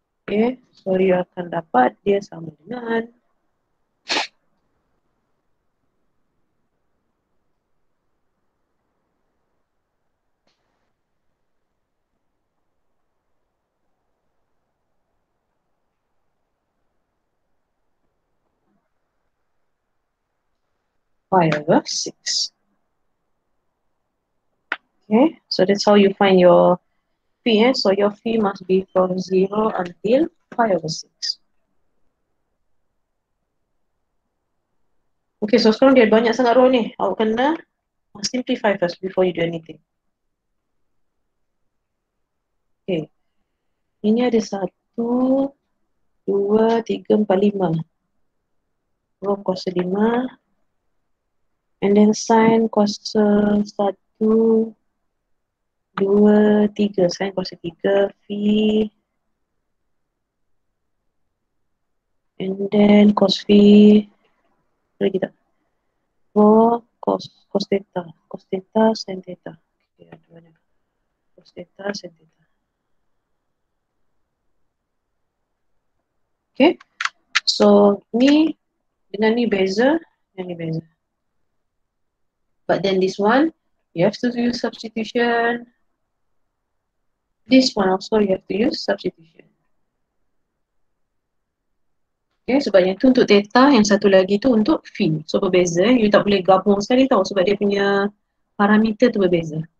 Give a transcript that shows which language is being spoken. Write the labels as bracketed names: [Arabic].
[Malay] Okay, so you akan dapat dia sama dengan pi over 6. [English] Okay, so that's how you find your phi, eh? So your phi must be from 0 until pi over 6. [Malay] Okay, so sekarang dia banyak sangat row ni. Awak kena simplify [English] first before you do anything. [Malay] Okay. Ini ada 1, 2, 3, 4, 5. Row kuasa 5. And then sine kuasa 1, 2, 3, sin kuasa 3, phi, and then cos phi, lagi tak? 4, cos theta, cos theta, sin theta. Okay, ada banyak. Cos theta, sin theta. Okay, so ni, dengan ni beza, dengan ni beza. [English] But then this one, you have to do substitution. This one also you have to use substitution. [Malay] Okay, sebab yang tu untuk theta, yang satu lagi tu untuk phi. So berbeza, you tak boleh gabung sekali tau sebab dia punya parameter tu berbeza.